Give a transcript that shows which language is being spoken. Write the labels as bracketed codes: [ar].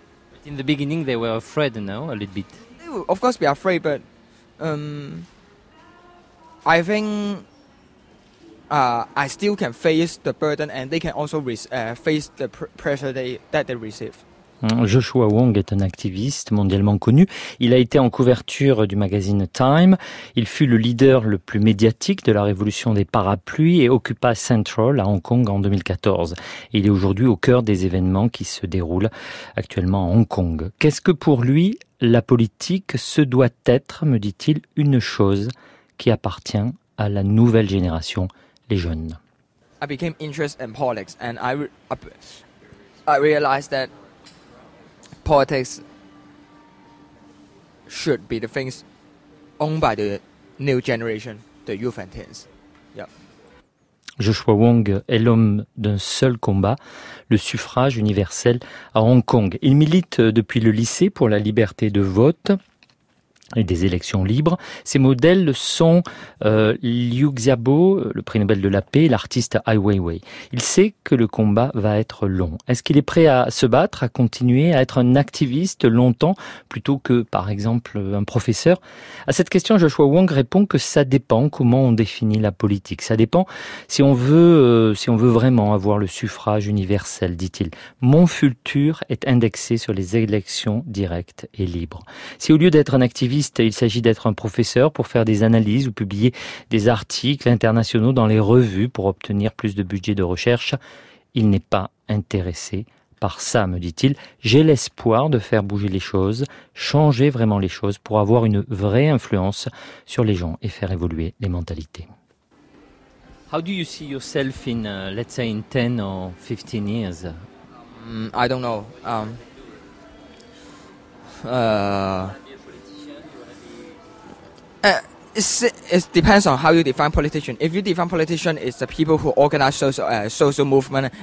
[en] But in the beginning, they were afraid, no? A little bit. They will, of course, be afraid, but I think I still can face the burden, and they can also face the pressure that they receive. [fr] Joshua Wong est un activiste mondialement connu. Il a été en couverture du magazine Time. Il fut le leader le plus médiatique de la révolution des parapluies et Occupy Central à Hong Kong en 2014. Il est aujourd'hui au cœur des événements qui se déroulent actuellement à Hong Kong. Qu'est-ce que pour lui la politique se doit être, me dit-il, une chose qui appartient à la nouvelle génération, les jeunes. [en] I became interested in politics and I realized that politics should be the things owned by the new generation, the youth and teens. Yep. [fr] Joshua Wong est l'homme d'un seul combat, le suffrage universel à Hong Kong. Il milite depuis le lycée pour la liberté de vote et des élections libres. Ses modèles sont Liu Xiaobo, le prix Nobel de la paix, et l'artiste Ai Weiwei. Il sait que le combat va être long. Est-ce qu'il est prêt à se battre, à continuer à être un activiste longtemps, plutôt que, par exemple, un professeur? À cette question, Joshua Wong répond que ça dépend comment on définit la politique. Ça dépend si on veut vraiment avoir le suffrage universel, dit-il. Mon futur est indexé sur les élections directes et libres. Si au lieu d'être un activiste, il s'agit d'être un professeur pour faire des analyses ou publier des articles internationaux dans les revues pour obtenir plus de budget de recherche. Il n'est pas intéressé par ça, me dit-il. J'ai l'espoir de faire bouger les choses, changer vraiment les choses pour avoir une vraie influence sur les gens et faire évoluer les mentalités. [en] How do you see yourself in, let's say, in 10 or 15 years? I don't know. It depends on how you define politician. If you define politician, it's the people who organize social movement.